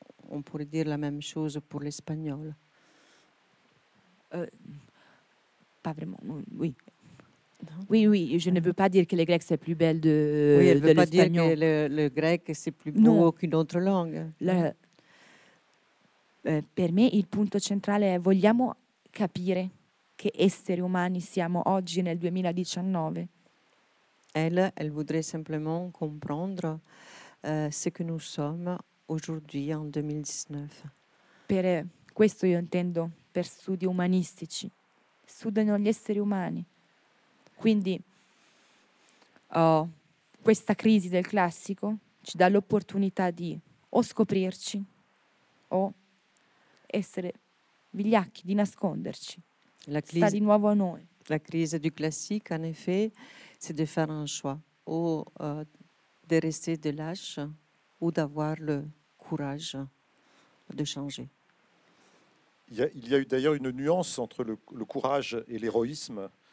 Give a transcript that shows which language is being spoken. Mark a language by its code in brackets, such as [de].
[fr] On pourrait dire la même chose pour l'espagnol. Pas vraiment, oui. Non? Oui, oui, je ne veux pas dire que le grec c'est plus belle de l'espagnol. Oui, elle ne veut pas dire que le grec c'est plus beau non. Qu'une autre langue. [it] Per me il punto centrale è vogliamo capire che esseri umani siamo oggi nel 2019. [fr] Elle voudrait simplement comprendre ce que nous sommes aujourd'hui en 2019. [it] Per questo io intendo per studi umanistici. Studiano gli esseri umani. Quindi questa crisi del classico ci dà l'opportunità di o scoprirci o essere vigliacchi, di nasconderci. La crisi, sta di nuovo a noi. [fr] La crisi du classique, en effet, c'est de faire un choix. O de rester de lâche ou d'avoir le courage de changer. Il y a eu d'ailleurs une nuance entre le courage et l'héroïsme.